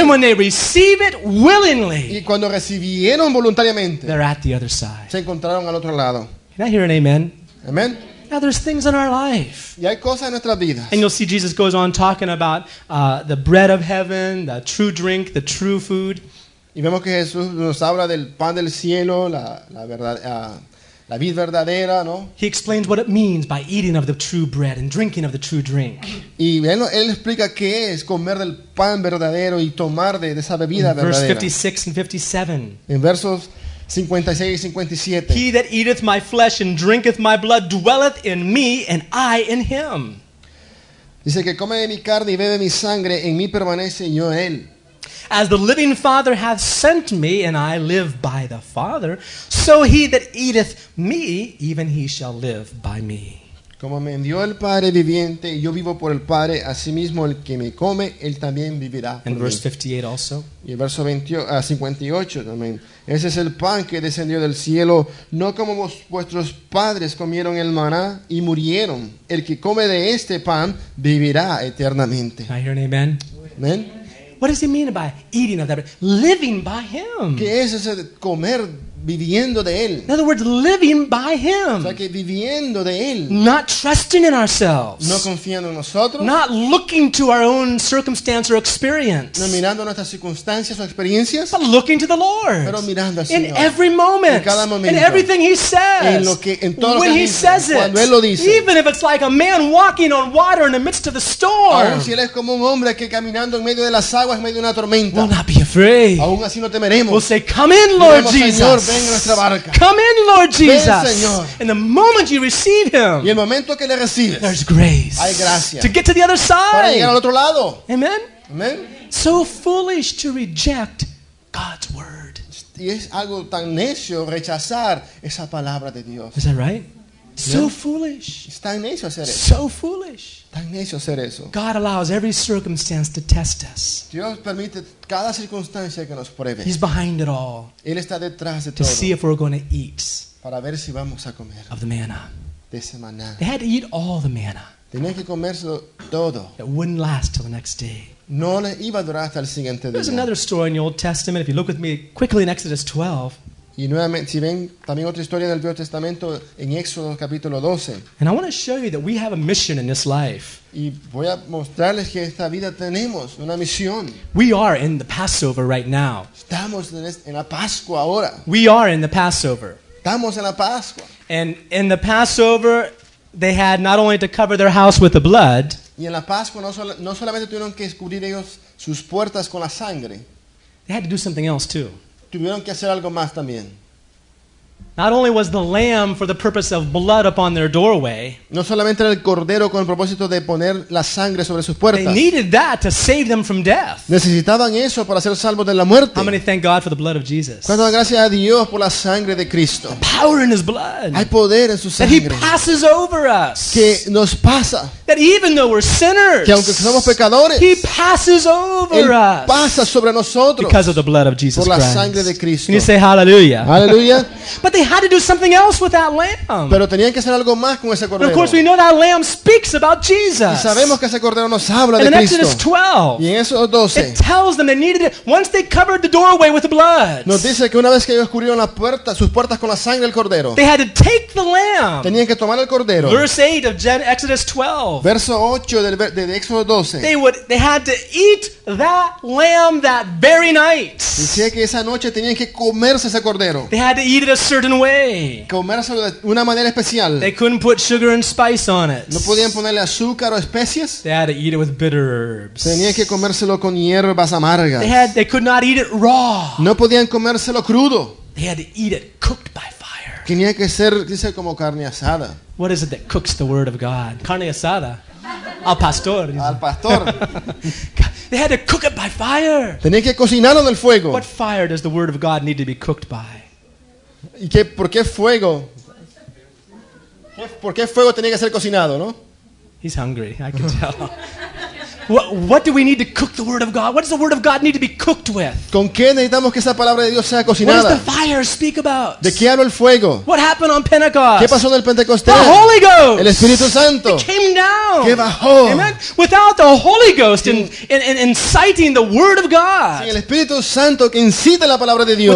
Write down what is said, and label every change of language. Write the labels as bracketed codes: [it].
[en] And when they receive it willingly. [es] Y cuando recibieron voluntariamente. [en] They're at the other side. [es] Se encontraron al otro lado. [en] Can I hear an amen? Amen. Now there's things in our life. [es] Y hay cosas en nuestras vidas. [en] And you'll see Jesus goes on talking about the bread of heaven, the true drink, the true food. [es] Y vemos que Jesús nos habla del pan del cielo, la verdad, la vid verdadera, ¿no? [en] He explains what it means by eating of the true bread and drinking of the true drink. [es] Y él explica qué es comer del pan verdadero y tomar de esa bebida verdadera. [en] Verse 56 and 57. [es] En versos 56 y 57. [en] He that eateth my flesh and drinketh my blood dwelleth in me and I in him. [es] Dice que come de mi carne y bebe mi sangre, en mí permanece y yo en él. [en] As the living Father hath sent me and I live by the Father, so he that eateth me, even he shall live by me. [es] Como me envió el Padre viviente y yo vivo por el Padre, asimismo el que me come, él también vivirá por [en] mí. And verse 58 also. [es] Y el verso 58 también. Ese es el pan que descendió del cielo, no como vuestros padres comieron el maná y murieron. El que come de este pan vivirá eternamente. [en] I hear an amen. Amen. What does he mean by eating of that bread? Living by him. [es] ¿Qué es ese comer viviendo de él. [en] In other words, living by him. [es] O sea, que viviendo de él. [en] Not trusting in ourselves. [es] No confiando en nosotros. [en] Not looking to our own circumstance or experience. [es] No mirando nuestras circunstancias o experiencias. [en] But looking to the Lord. [es] Pero mirando al Señor. [en] In every moment. [es] En cada momento. [en] In everything he says. [es] En lo que, en todo [en] when [es] lo que [en] he says it. [es] Cuando él lo dice. [en] Even if it's like a man walking on water in the midst of the storm. [es] Aún si él es como un hombre que caminando en medio de las aguas en medio de una tormenta. [en] We'll not be afraid. [es] Aún así no temeremos. [en] We'll say, come in, Lord Jesus. [es] Señor, ven a nuestra barca. [en] Come in, Lord Jesus. [es] Ven, Señor. [en] And the moment you receive him, [es] y el momento que le recibes, [en] there's grace. [es] Hay gracia. [en] To get to the other side. [es] Para llegar al otro lado. [en] Amen. Amen. So foolish to reject God's word. [es] Y es algo tan necio rechazar esa palabra de Dios. [en] Is that right? So foolish. [es] Es tan necio hacer eso. [en] So foolish. [es] Tan necio hacer eso. [en] God allows every circumstance to test us. [es] Dios permite cada circunstancia que nos pruebe. [en] He's behind it all. [es] Él está detrás de todo. [en] To see if we're going to eat. [es] Para ver si vamos a comer. [en] Of the manna. [es] De ese maná. [en] They had to eat all the manna. [es] Tenían que comerse todo. [en] It wouldn't last till the next day. [es] No le iba a durar hasta el siguiente [en] There's There's another story in the Old Testament. If you look with me quickly in Exodus 12. [es] Y nuevamente, si ven también otra historia del Viejo Testamento en Éxodo capítulo 12. [en] And I want to show you that we have a mission in this life. [es] Y voy a mostrarles que esta vida tenemos una misión. [en] We are in the Passover right now. [es] Estamos en la Pascua ahora. [en] We are in the Passover. [es] Estamos en la Pascua. [en] And in the Passover, they had not only to cover their house with the blood. [es] Y en la Pascua no solamente tuvieron que cubrir ellos sus puertas con la sangre. [en] They had to do something else too. [es] Tuvieron que hacer algo más también. [en] Not only was the lamb for the purpose of blood upon their doorway. [es] No solamente era el cordero con el propósito de poner la sangre sobre sus puertas. [en] They needed that to save them from death. [es] Necesitaban eso para ser salvos de la muerte. [en] How many thank God for the blood of Jesus? [es] ¿Cuánto dan gracias a Dios por la sangre de Cristo? [en] The power in his blood. [es] Hay poder en su sangre. [en] That he passes over us. [es] Que nos pasa. [en] That even though we're sinners. [es] Que aunque somos pecadores. [en] He passes over [es] él [en] us. [es] Pasa sobre nosotros. [en] Because of the blood of Jesus [es] por la [en] Christ. [es] Sangre de Cristo. [en] Can you say hallelujah? Hallelujah. But they had to do something else with that lamb. [es] Pero tenían que hacer algo más con ese cordero. [en] Of course, we know that lamb speaks about Jesus. [es] Y sabemos que ese cordero nos habla de [en] Cristo. Exodus 12. [es] Y en Éxodo 12. [en] It tells them they needed it once they covered the doorway with blood. [es] Nos dice que una vez que ellos cubrieron la puerta, sus puertas con la sangre del cordero. [en] They had to take the lamb. [es] Tenían que tomar el cordero. [en] Verse 8 of Exodus 12. [es] Verso 8 de Éxodo 12. [en] They had to eat that lamb that very night. [es] Dice que esa noche tenían que comerse ese cordero. [en] They had to eat it a certain [es] comérselo de una manera especial. [en] They couldn't put sugar and spice on it. [es] No podían ponerle azúcar o especias. [en] They had to eat it with bitter herbs. [es] Tenían que comérselo con hierbas amargas. [en] They could not eat it raw. [es] No podían comérselo crudo. [en] They had to eat it cooked by fire. [es] Tenía que ser, dice, como carne asada. [en] What is it that cooks the word of God? [es] Carne asada. Al pastor. Al pastor. [en] They had to cook it by fire. [es] Tenían que cocinarlo en el fuego. [en] What fire does the word of God need to be cooked by? [es] ¿Y qué, por qué fuego? ¿Por qué fuego tenía que ser cocinado, no? [en] He's hungry, I can tell. What do we need to cook the word of God? What does the word of God need to be cooked with? [es] ¿Con qué necesitamos que esa palabra de Dios sea cocinada? [en] What does the fire speak about? [es] ¿De qué habla el fuego? [en] What happened on Pentecost? [es] ¿Qué pasó en el Pentecostés? [en] The Holy Ghost. [es] El Espíritu Santo. [en] It came down. [es] ¿Qué bajó? [en] Amen. Without the Holy Ghost in inciting the word of God. [es] Sin el Espíritu Santo que incite la palabra de Dios.